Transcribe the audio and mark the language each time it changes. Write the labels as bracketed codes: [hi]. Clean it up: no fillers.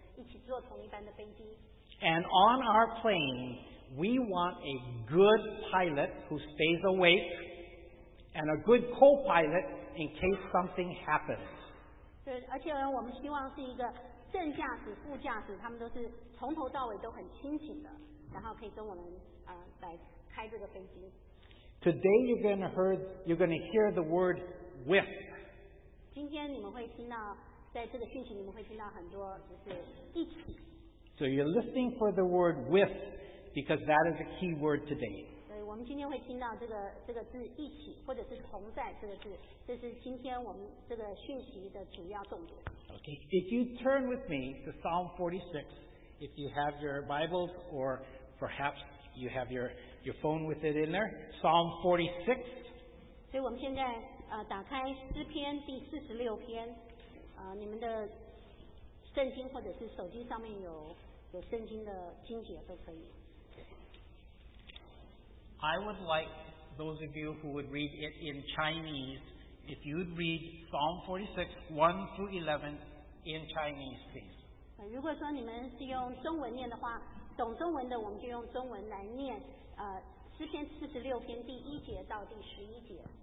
[zh] 一起坐同一班的飞机。 [en] And on our plane, we want a good pilot who stays awake and a good co-pilot in case something happens. [zh] 对，而且我们希望是一个正驾驶、副驾驶，他们都是从头到尾都很清醒的，然后可以跟我们来开这个飞机。 [en] Today you're going to hear the word with. [zh] 今天你们会听到。在这个讯息你们会听到很多就是一起 [en] So you're listening for the word with because that is a key word today [zh] 所以我们今天会听到这个字一起或者是同在这个字这是今天我们这个讯息的主要重点 [en] Okay, if you turn with me to Psalm 46 if you have your Bibles or perhaps you have your phone with it in there Psalm 46 [zh] 所以我们现在打开诗篇第46篇你们的圣经或者是手机上面有圣经的经节都可以。 [en] I would like those of you who would read it in Chinese, if you'd read Psalm 46, 1 through 11 in Chinese, please. [zh] 如果说你们是用中文念的话，懂中文的，我们就用中文来念。诗篇46篇第1节到第11节。